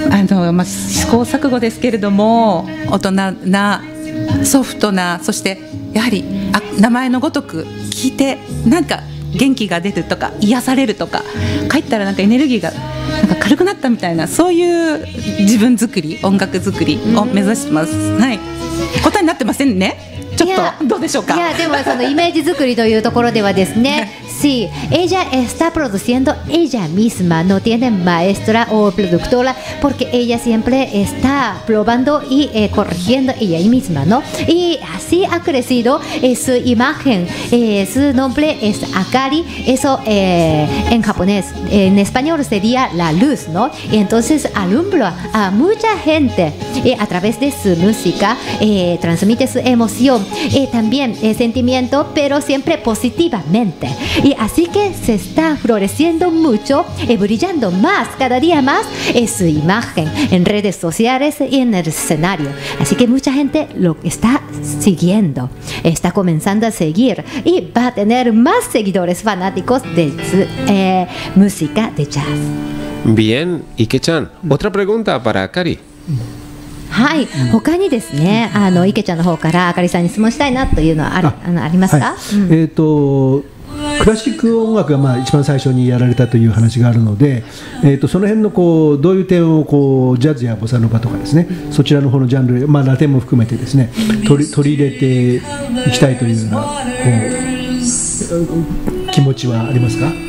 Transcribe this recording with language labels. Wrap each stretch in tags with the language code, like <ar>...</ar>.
<ja>まあ、試行錯誤ですけれども、大人なソフトな、そしてやはり名前のごとく聞いてなんか元気が出るとか癒されるとか、帰ったらなんかエネルギーがなんか軽くなったみたいな、そういう自分作り、音楽作りを目指してます。はい、答えになってませんね、ちょっとどうでしょうか。いやでもそのイメージ作りというところではですね</ja> <es>Sí, ella está produciendo ella misma, no tiene maestra o productora, porque ella siempre está probando y corrigiendo ella misma, ¿no? Y así ha crecido su imagen, su nombre es Akari, eso en japonés, en español sería la luz, ¿no? Y entonces alumbra a mucha gente a través de su música, transmite su emoción, también sentimiento, pero siempre positivamente. Y así que se está floreciendo mucho y brillando más cada día más su imagen en redes sociales y en el escenario. Así que mucha gente lo está siguiendo, está comenzando a seguir y va a tener más seguidores fanáticos de su, música de jazz. Bien, Ike-chan, otra pregunta para Akari.</es> <ja>はい、他にですね、あの池ちゃんの方からあかりさんに質問したいなというのは ありますか。はい、クラシック音楽がまあ一番最初にやられたという話があるので、その辺のこうどういう点をこうジャズやボサノバとかですね、そちらの方のジャンル、まあ、ラテンも含めてですね、取り入れていきたいというようなこう気持ちはありますか。</ja>